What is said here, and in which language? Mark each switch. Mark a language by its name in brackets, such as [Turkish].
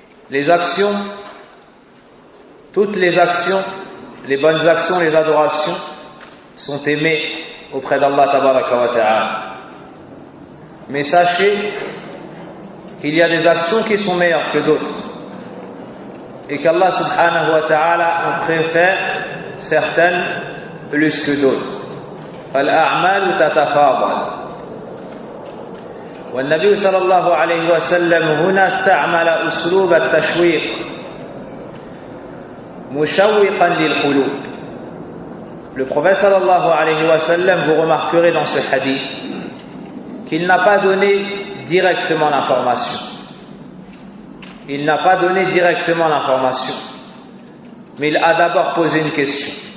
[French] Les actions, toutes les actions, les bonnes actions, les adorations sont aimées auprès d'Allah tabaraka wa ta'ala. Mais sachez qu'il y a des actions qui sont meilleures que d'autres, et qu'Allah subhanahu wa ta'ala préfère certaines plus que d'autres. [Arabic] فالأعمال تتفاضل. والنبي صلى الله عليه وسلم هنا استعمل أسلوب التشويق مشوقا للقلوب. [French] Le prophète صلى الله عليه وسلم, vous remarquerez dans ce hadith qu'il n'a pas donné directement l'information. Il n'a pas donné directement l'information. Mais il a d'abord posé une question.